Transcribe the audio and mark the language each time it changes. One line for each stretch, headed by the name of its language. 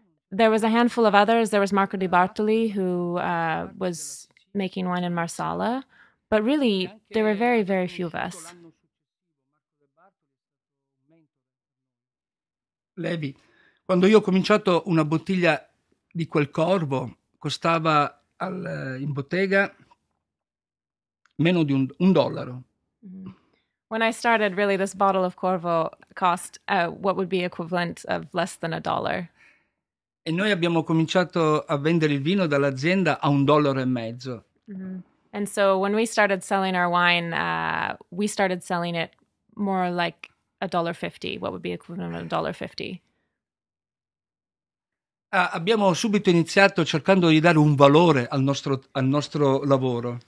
English: There was a handful of others. There was Marco di Bartoli, who was making wine in Marsala. But really, there were very, very few of us.
Italian: Levi, quando io ho cominciato, una bottiglia di quel Corvo costava in bottega meno di un dollaro.
English: When I started, really, this bottle of Corvo cost what would be equivalent of less than a dollar.
Italian: E noi abbiamo cominciato a vendere il vino dall'azienda a un dollaro e mezzo. Mm-hmm.
English: And so when we started selling our wine, we started selling it more like $1.50, what would be equivalent to $1.50.
Italian: Abbiamo subito iniziato cercando di dare un valore al nostro lavoro.